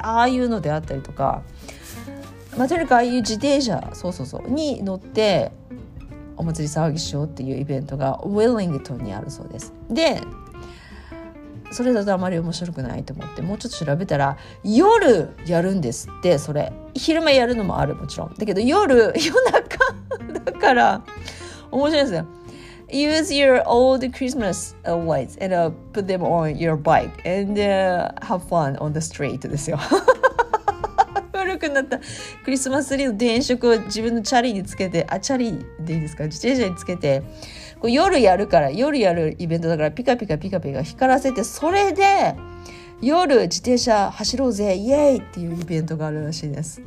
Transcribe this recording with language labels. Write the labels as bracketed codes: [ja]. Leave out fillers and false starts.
[ja] ああいうのであったりとか、まあ、とにかくああいう自転車、そうそうそうに乗ってお祭り騒ぎしようっていうイベントがウェリングトンにあるそうです。でそれだとあまり面白くないと思ってもうちょっと調べたら、夜やるんですって。それ昼間やるのもある、もちろんだけど、夜中だから面白いですよ。 [en] Use your old Christmas lights and put them on your bike and have fun on the street [ja] ですよ。なったクリスマスツリーの電飾を自分のチャリにつけて、あ、チャリでいいですか、自転車につけて、こう夜やるから、夜やるイベントだから、ピカピカピカピカ光らせて、それで夜自転車走ろうぜ、イエーイっていうイベントがあるらしいです。